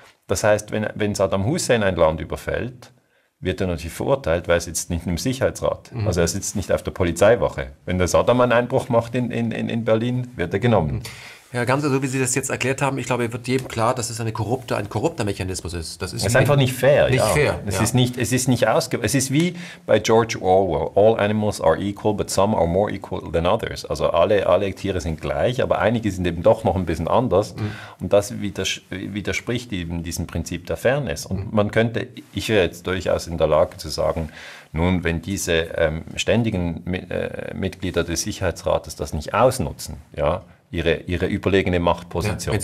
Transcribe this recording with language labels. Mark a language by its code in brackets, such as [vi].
[de] Das heißt, wenn Saddam Hussein ein Land überfällt, wird er natürlich verurteilt, weil er sitzt nicht im Sicherheitsrat. Mhm. Also er sitzt nicht auf der Polizeiwache. Wenn der Saddam einen Einbruch macht in Berlin, wird er genommen. Mhm. Ja, ganz so, wie Sie das jetzt erklärt haben, ich glaube, wird jedem klar, dass es ein korrupter Mechanismus ist. Das ist einfach nicht fair. Nicht fair. Es ist wie bei George Orwell. [en] All animals are equal, but some are more equal than others. [de] Also alle Tiere sind gleich, aber einige sind eben doch noch ein bisschen anders. Mhm. Und das widerspricht eben diesem Prinzip der Fairness. Und man könnte, ich wäre jetzt durchaus in der Lage zu sagen, nun, wenn diese ständigen Mitglieder des Sicherheitsrates das nicht ausnutzen, ja, ihre überlegene Machtposition. Ja,